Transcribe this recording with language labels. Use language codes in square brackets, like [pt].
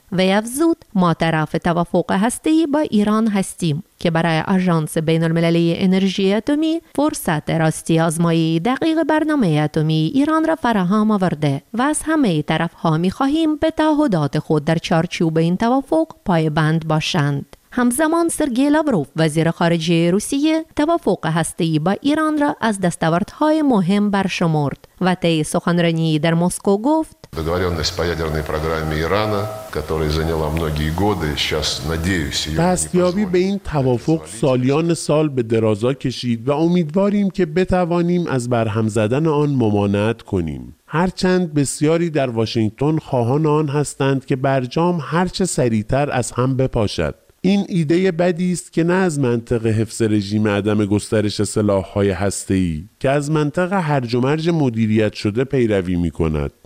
[fa] و افزود ما طرف توافق هسته‌ای با ایران هستیم که برای آژانس بین‌المللی انرژی اتمی فرصت راستی آزمایی دقیق برنامه اتمی ایران را فراهم آورده و از همه طرف‌ها می‌خواهیم به تعهدات خود در چارچوب این توافق پایبند باشند. همزمان سرگی لاوروف، وزیر خارجه روسیه، توافق هسته‌ای با ایران را از دستاوردهای مهم برشمرد و طی سخنرانی در مسکو گفت [ru] договорённость по ядерной программе Ирана, которая заняла многие годы, сейчас надеюсь, её. [fa] دستیابی به این توافق سالیان سال به درازا کشید و امیدواریم که بتوانیم از برهم زدن آن ممانعت کنیم. هرچند بسیاری در واشنگتن خواهان آن هستند که برجام هر چه سریعتر از هم بپاشد. این ایده بدی است که نه از منطق حفظ رژیم عدم گسترش سلاح‌های هسته‌ای که از منطق هرج و مرج مدیریت شده پیروی می‌کند.